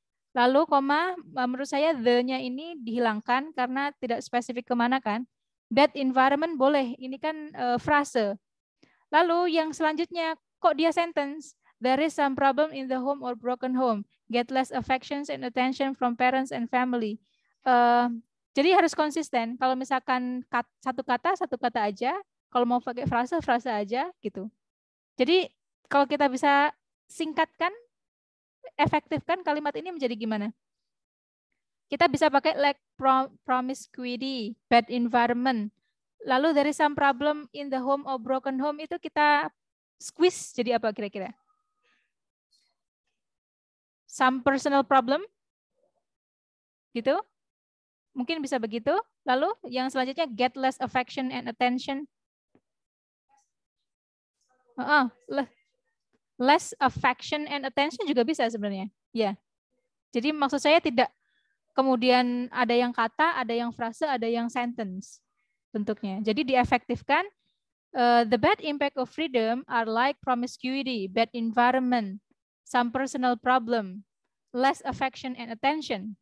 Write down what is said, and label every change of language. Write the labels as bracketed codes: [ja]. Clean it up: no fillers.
[id] Lalu koma, menurut saya the-nya ini dihilangkan karena tidak spesifik kemana kan. Bad environment boleh, ini kan frase. Lalu yang selanjutnya, kok dia sentence? [en] There is some problem in the home or broken home. Get less affections and attention from parents and family. [id] Jadi harus konsisten. Kalau misalkan satu kata aja. Kalau mau pakai frase, frase aja. Gitu. Jadi kalau kita bisa singkatkan, efektifkan kalimat ini menjadi gimana? Kita bisa pakai [en] like promiscuity, bad environment. [id] Lalu [en] there is some problem in the home or broken home [id] itu kita squeeze jadi apa kira-kira? some personal problem. Gitu? Mungkin bisa begitu. Lalu yang selanjutnya, [en] get less affection and attention. Less affection and attention juga bisa sebenarnya. Yeah. [id] Jadi maksud saya tidak kemudian ada yang kata, ada yang frase, ada yang sentence bentuknya. Jadi diefektifkan, [en] the bad impact of freedom are like promiscuity, bad environment, some personal problem, less affection and attention.